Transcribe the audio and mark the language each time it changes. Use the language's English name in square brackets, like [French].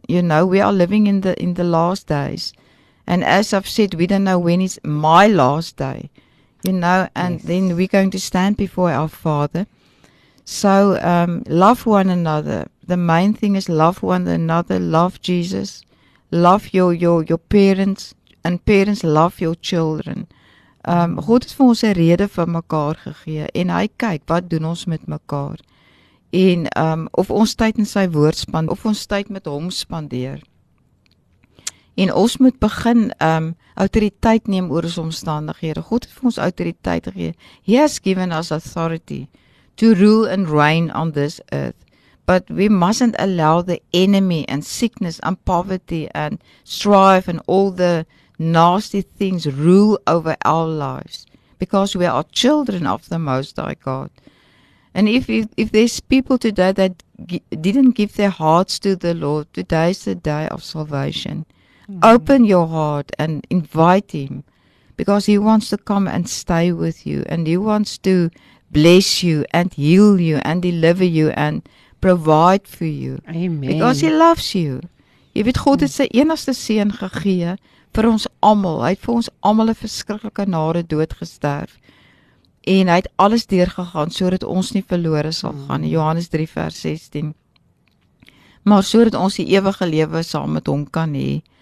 [English] You know, we are living in the last days. And as I've said, we don't know when is my last day, you know, and yes, then we're going to stand before our Father. So love one another. The main thing is love one another, love Jesus, love your parents, and parents love your children. [Afrikaans] God het vir ons 'n rede vir mekaar gegee, en hy kyk, wat doen ons met mekaar? En of ons tyd in sy woord spandeer, of ons tyd met hom spandeer. En ons moet begin autoriteit neem oor ons omstandighede. God het vir ons autoriteit gegee. [English] He has given us authority to rule and reign on this earth. But we mustn't allow the enemy and sickness and poverty and strife and all the nasty things rule over our lives. Because we are children of the Most High God. And if there's people today that didn't give their hearts to the Lord, today is the day of salvation. Mm-hmm. Open your heart and invite Him, because He wants to come and stay with you, and He wants to bless you and heal you and deliver you and provide for you. Amen. Because He loves you. [Afrikaans] Jy weet, God het sy enigste seun gegee vir ons almal. Hy het vir ons almal 'n verskriklike nare dood gesterf. En hy het alles deurgegaan sodat ons nie verlore sal gaan. Johannes 3 vers 16. Maar sodat ons die ewige lewe saam met Hom kan hê.